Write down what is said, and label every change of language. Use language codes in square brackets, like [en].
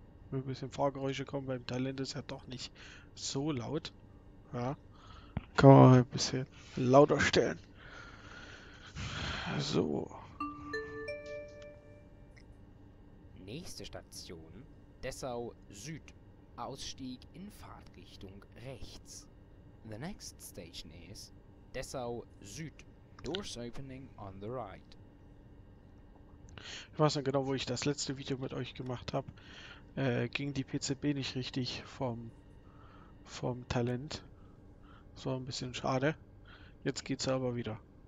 [de] Wenn ein bisschen Fahrgeräusche kommen, beim Talent ist ja doch nicht so laut. Ja. Kann man ein bisschen lauter stellen. So. Nächste Station, Dessau Süd. Ausstieg in Fahrtrichtung rechts. [en] The next station is Dessau Süd. Doors opening on the right. [de] Ich weiß noch genau, wo ich das letzte Video mit euch gemacht habe. Ging die PCB nicht richtig vom Talent. Das war ein bisschen schade. Jetzt geht's aber wieder.